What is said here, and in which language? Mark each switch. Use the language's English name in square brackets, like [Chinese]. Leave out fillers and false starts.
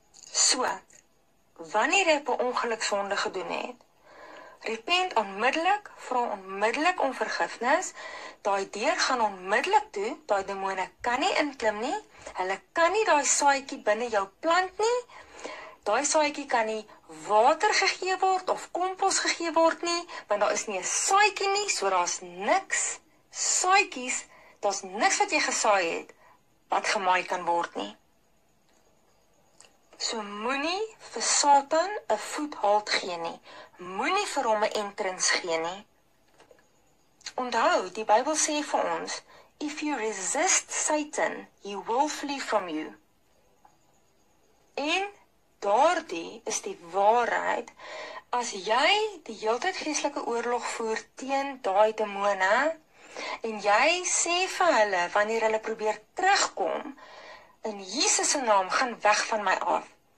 [Afrikaans] So, wanneer jy 'n ongeluk sonde gedoen het, repent onmiddellik, vra onmiddellik om vergifnis, daai deur gaan onmiddellik toe, daai demone kan nie inklim nie, hulle kan nie daai saaitjie binne jou plant nie, daai saaitjie kan nie water gegee word of kompos gegee word nie, want daar is nie 'n saaitjie nie, so daar's niks, saaitjies, daar's niks wat jy gesaai het, wat gemaai kan word nie. So moenie vir Satan 'n voet halt gee nie. Moenie vir hom 'n entrance gee nie. Onthou, die Bybel sê vir ons, [English] if you resist Satan, he will flee from you. [Afrikaans] En daardie is die waarheid. As jy die heeltyd geestelike oorlog voer teen daai demone en jy sê vir hulle wanneer hulle probeer terugkom, in Jesus se naam gaan weg van my af.